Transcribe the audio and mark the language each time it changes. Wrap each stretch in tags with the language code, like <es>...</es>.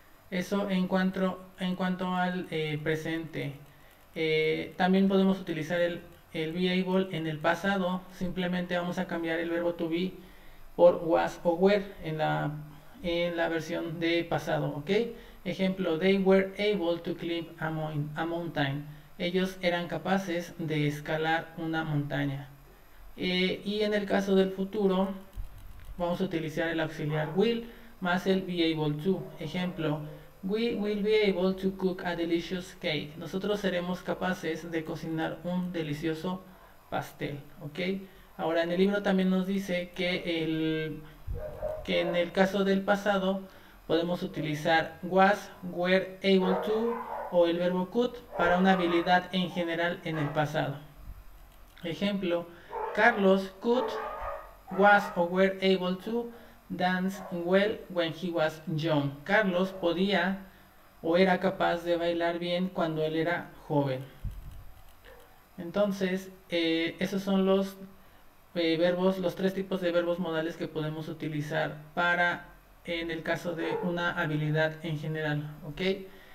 <es>Eso en cuanto al presente. También podemos utilizar el be able en el pasado. Simplemente vamos a cambiar el verbo to be por was o were en la versión de pasado, ¿ok?</es> <en>Ejemplo, they were able to climb a mountain.</en> <es>Ellos eran capaces de escalar una montaña. Y en el caso del futuro, vamos a utilizar el auxiliar will más el be able to.</es> <en>Ejemplo, we will be able to cook a delicious cake.</en> <es>Nosotros seremos capaces de cocinar un delicioso pastel, ¿ok? Ahora, en el libro también nos dice que en el caso del pasado podemos utilizar was, were able to o el verbo could para una habilidad en general en el pasado.</es> <en>Ejemplo, Carlos could, was o were able to dance well when he was young.</en> <es>Carlos podía o era capaz de bailar bien cuando él era joven. Entonces, esos son los tres tipos de verbos modales que podemos utilizar para en el caso de una habilidad en general, ¿ok?</es>